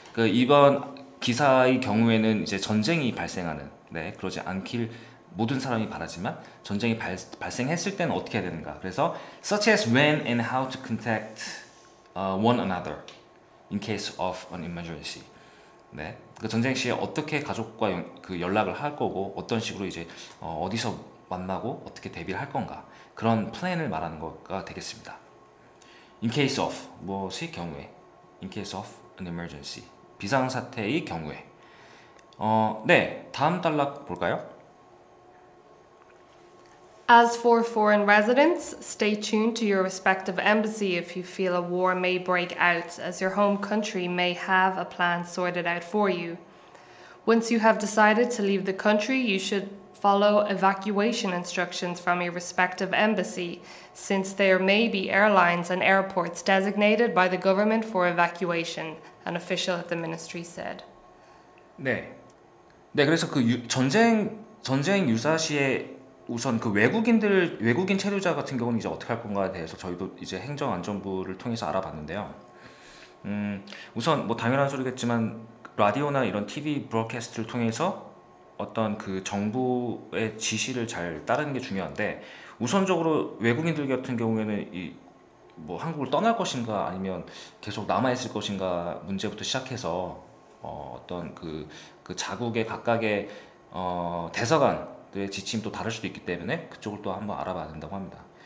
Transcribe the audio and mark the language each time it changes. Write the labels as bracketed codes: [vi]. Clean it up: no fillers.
[ko] 그 이번 기사의 경우에는 이제 전쟁이 발생하는 네 그러지 않길 모든 사람이 바라지만 전쟁이 발생했을 때는 어떻게 해야 되는가. [en] 그래서 such as when and how to contact one another in case of an emergency. [ko] 네. 그 전쟁 시에 어떻게 가족과 그 연락을 할 거고 어떤 식으로 이제 어디서 만나고 어떻게 대비를 할 건가 그런 플랜을 말하는 것과 되겠습니다. In case of 무엇의 경우에 [en] In case of an emergency [ko] 비상사태의 경우에 네 다음 단락 볼까요? [en] As for foreign residents, stay tuned to your respective embassy if you feel a war may break out, as your home country may have a plan sorted out for you. Once you have decided to leave the country, you should follow evacuation instructions from your respective embassy, since there may be airlines and airports designated by the government for evacuation, an official at the ministry said. [ko] 네. 네, 그래서 그 전쟁 유사시에 우선 그 외국인 체류자 같은 경우는 이제 어떻게 할 건가에 대해서 저희도 이제 행정안전부를 통해서 알아봤는데요. 우선 뭐 당연한 소리겠지만 라디오나 이런 TV 브로드캐스트를 통해서 어떤 그 정부의 지시를 잘 따르는 게 중요한데 우선적으로 외국인들 같은 경우에는 이 뭐 한국을 떠날 것인가 아니면 계속 남아 있을 것인가 문제부터 시작해서 어떤 그 자국의 각각의 대사관 지침도 다를 수도 있기 때문에 그쪽을 또 한번 알아봐야 된다고 합니다.